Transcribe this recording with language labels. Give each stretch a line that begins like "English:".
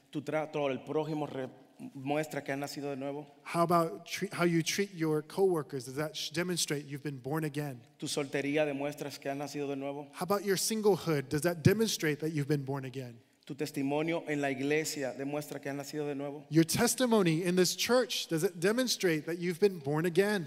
Spanish: ¿Tu trato al prójimo muestra que han nacido de nuevo?
English: How about how you treat your coworkers? Does that demonstrate you've been born again?
Spanish: ¿Tu soltería demuestra que han nacido de nuevo?
English: How about your singlehood? Does that demonstrate that you've been born again?
Spanish: Tu testimonio en la iglesia demuestra que has nacido de nuevo.
English: Your testimony in this church, does it demonstrate that you've been born again?